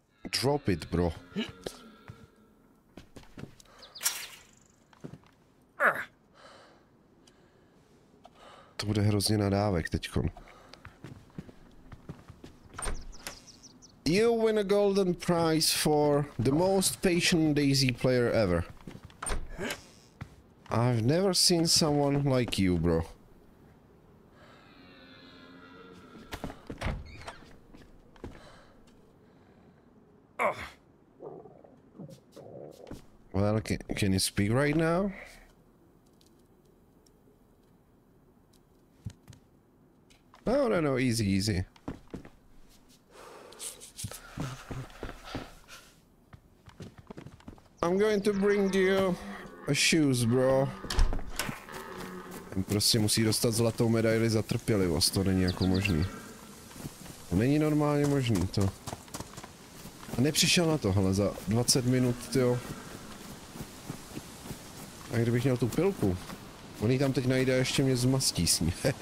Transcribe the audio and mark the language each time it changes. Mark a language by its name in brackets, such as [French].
[English] Drop it, bro. [Czech] To bude hrozně nadávek teďkon. [English] You win a golden prize for the most patient DayZ player ever. I've never seen someone like you, bro. Well, can you speak right now? No, no, no, easy, easy. I'm going to bring you a shoes, bro. [Czech] Ten prostě musí dostat zlatou medaili za trpělivost, to není jako možný. To není normálně možný, to. A nepřišel na to, hele, za 20 minut, jo. A kdybych měl tu pilku, on ji tam teď najde a ještě mě zmastí s ní.